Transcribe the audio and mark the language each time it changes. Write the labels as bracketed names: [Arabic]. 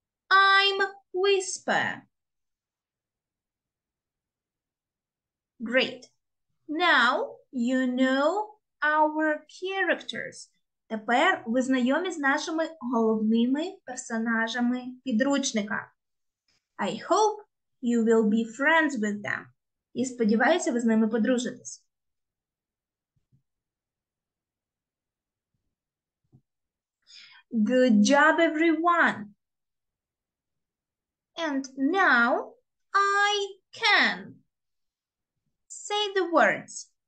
[English] I'm Whisper. Great. Now you know our characters. [Ukrainian] Тепер ви знайомі з нашими головними персонажами підручника. [English] I hope you will be friends with them. [Ukrainian] І сподіваюся, ви з ними подружитесь. [English] Good job, everyone! And now I can say the words.